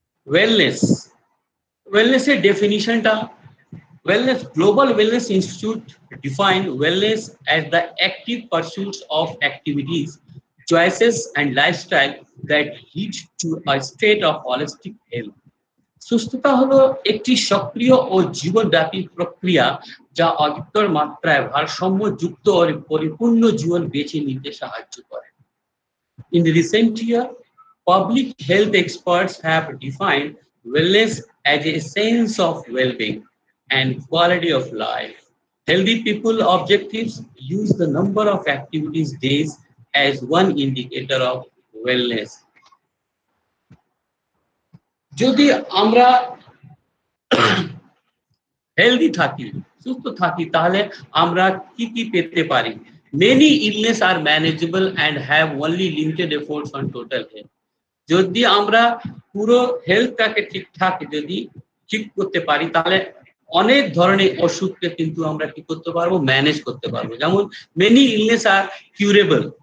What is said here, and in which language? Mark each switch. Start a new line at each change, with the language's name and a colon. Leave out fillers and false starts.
English: Wellness, wellness এর ডেফিনিশনটা, wellness, global wellness institute define wellness as the active pursuits of activities, choices and lifestyle that lead to a state of holistic health.
Bangla: সুস্থতা হলো একটি সক্রিয় ও জীবনব্যাপী প্রক্রিয়া যা অধিকতর মাত্রায় ভারসাম্য যুক্ত ও পরিপূর্ণ জীবন বেছে নিতে সাহায্য করে।
English: In recent year public health experts have defined wellness as a sense of well-being and quality of life. Healthy people objectives use the number of activities days as one indicator of wellness.
Bangla: যদি আমরা healthy থাকি সুস্থ থাকি তাহলে আমরা কি কি পেতে পারি
English: many illness are manageable and have only limited efforts on total health
Bangla: যদি আমরা পুরো হেলথটাকে ঠিকঠাক যদি ঠিক করতে পারি তাহলে অনেক ধরনের অসুখকে কিন্তু আমরা কি করতে পারবো ম্যানেজ করতে পারবো যেমন
English: many illness are curable